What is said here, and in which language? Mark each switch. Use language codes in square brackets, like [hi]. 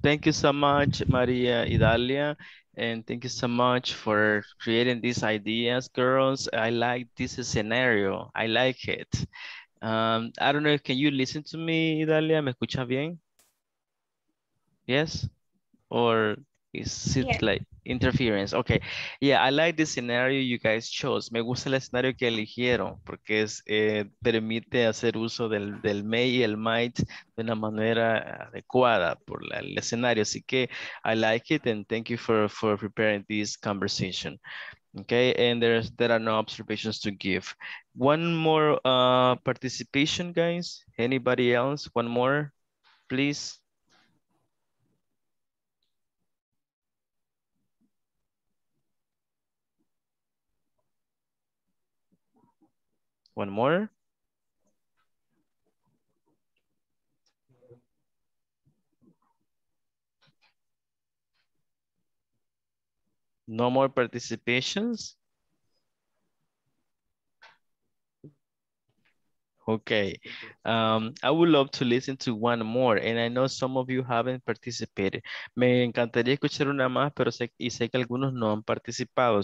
[en] Thank you so much, Maria Idalia, and thank you so much for creating these ideas, girls. I like this scenario. I like it. I don't know, can you listen to me, Idalia? [es] ¿Me escucha bien? [en] Yes? Or is it like interference? Okay. Yeah, I like the scenario you guys chose. [es] Me gusta el escenario que eligieron porque es, permite hacer uso del may y el might de una manera adecuada por el escenario. Así que [en] I like it and thank you for preparing this conversation. Okay, and there are no observations to give. One more participation, guys. Anybody else? One more, please. One more. No more participations. Okay. I would love to listen to one more, and I know some of you haven't participated. [es] Me encantaría escuchar una más, pero sé que algunos no han participado.